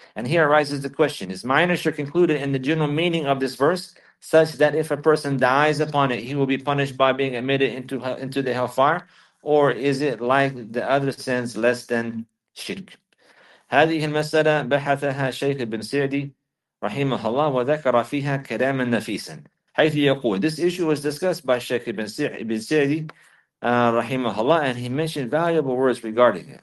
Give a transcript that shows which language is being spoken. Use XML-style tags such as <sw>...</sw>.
<en>And here arises the question, is minor shirk included in the general meaning of this verse, such that if a person dies upon it, he will be punished by being admitted into the hellfire? Or is it like the other sins, less than shirk?</en> <ar>هذه المسألة بحثها شيخ بن سعدي رحمه الله وذكر فيها كلاما نفيسا حيث يقول.</ar> <en>This issue was discussed by Sheikh ibn Sa'di</en> <ar>رحمه الله,</ar> <en>and he mentioned valuable words regarding it.</en>